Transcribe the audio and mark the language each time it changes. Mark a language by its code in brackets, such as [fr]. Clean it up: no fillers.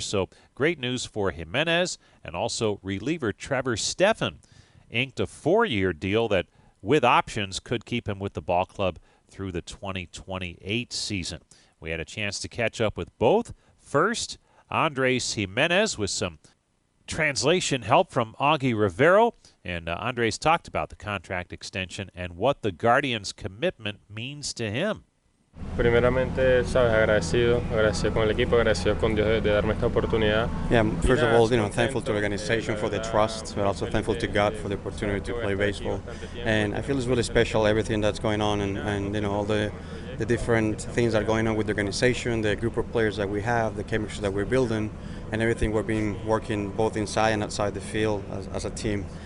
[en] So great news for Giménez, and also reliever Trevor Stephan inked a 4-year deal that with options could keep him with the ball club through the 2028 season. We had a chance to catch up with both. First, Andrés Giménez with some translation help from Augie Rivero. And Andres talked about the contract extension and what the Guardians' commitment means to him. [es] Primeramente, sabes, agradecido, agradecido con el equipo, agradecido con Dios de darme esta oportunidad. [en] Yeah, first of all, you know, thankful to the organization for the trust, but also thankful to God for the opportunity to play baseball. And I feel it's really special, everything that's going on and you know, all the different things that are going on with the organization, the group of players that we have, the chemistry that we're building, and everything we've been working both inside and outside the field as a team.